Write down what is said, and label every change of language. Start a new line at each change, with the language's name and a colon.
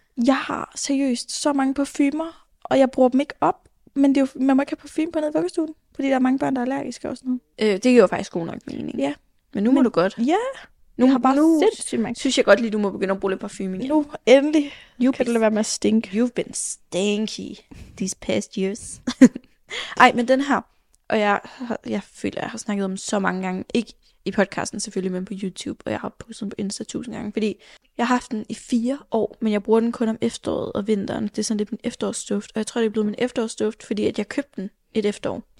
Danish: Jeg har seriøst så mange parfumer, og jeg bruger dem ikke op. Men det er jo, man må ikke have parfume på nede i vuggestuen, fordi der er mange børn, der er allergiske og sådan noget. Det giver jo faktisk god nok mening. Ja. Men nu må du godt. Ja. Nu har bare synes jeg godt lige, du må begynde at bruge lidt parfume igen. Nu, endelig. Kan du lade være med at stinke.
English: You've been stinky these past years.
Danish: Ej, men den her, og jeg føler, jeg har snakket om så mange gange, ikke i podcasten selvfølgelig, men på YouTube, og jeg har postet den på Insta 1000 gange, fordi jeg har haft den i 4 år, men jeg bruger den kun om efteråret og vinteren. Det er sådan lidt min efterårsduft, og jeg tror, det er blevet min efterårsduft, fordi at jeg købte den et efterår.